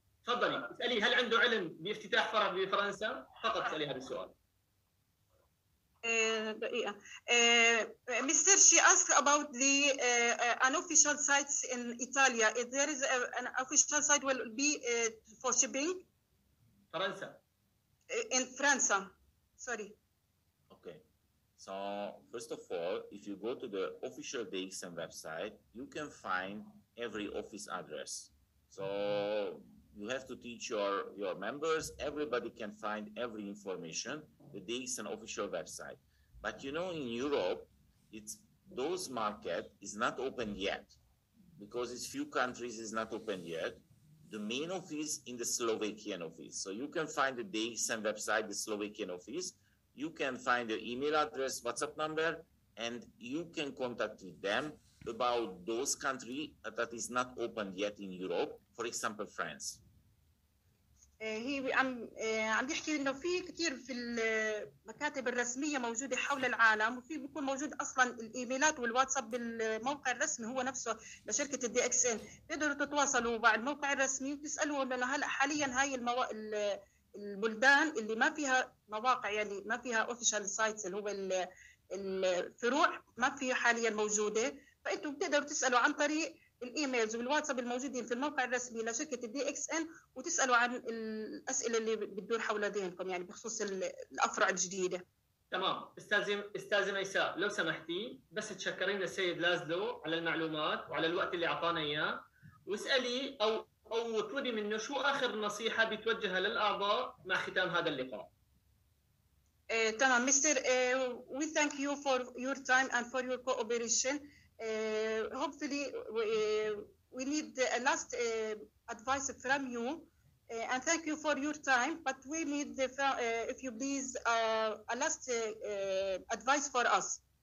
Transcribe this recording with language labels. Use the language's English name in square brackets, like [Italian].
[Arabic] تفضلي، اسألي هل عنده علم بافتتاح فرع بفرنسا؟ فقط اسألي هذا السؤال. دقيقة. [English] Mister she ask about the an official site in إيطاليا، if there is an official site will be for shipping. [Arabic] فرنسا. [English] In فرنسا. Sorry. So first of all, if you go to the official DXM website, you can find every office address. So you have to teach your members. Everybody can find every information, the DXM official website. But you know, in Europe, it's those market is not open yet because it's few countries is not open yet. The main office in the Slovakian office. So you can find the DXM website, the Slovakian office. You can find the email address, WhatsApp number, and you can contact with them about those country that is not open yet in Europe, for example, France. [Arabic] هي عم بيحكي انه في كثير في المكاتب الرسميه موجوده حول العالم، وفي بيكون موجود اصلا الايميلات والواتساب بالموقع الرسمي هو نفسه لشركه الدي اكس ان، تقدروا تتواصلوا مع الموقع الرسمي وتسالوا انه هلا حاليا هاي البلدان اللي ما فيها مواقع يعني ما فيها [English] official sites [Arabic] اللي هو الفروع ما فيها حاليا موجودة، فأنتم بتقدروا تسألوا عن طريق الإيميلز والواتساب الموجودين في الموقع الرسمي لشركة الدي اكس ان وتسألوا عن الأسئلة اللي بتدور حول ذهنكم يعني بخصوص الأفرع الجديدة. تمام. استاذ ميساء لو سمحتي بس تشكرين السيد لازلو على المعلومات وعلى الوقت اللي أعطانا إياه، واسألي أو اطلبي منه شو آخر نصيحة بتوجهها للأعضاء مع ختام هذا اللقاء. تمام مستر، [English] we thank you for your time and for your cooperation. Hopefully we need a last advice from you and thank you for your time, but we need the, if you please a last advice for us.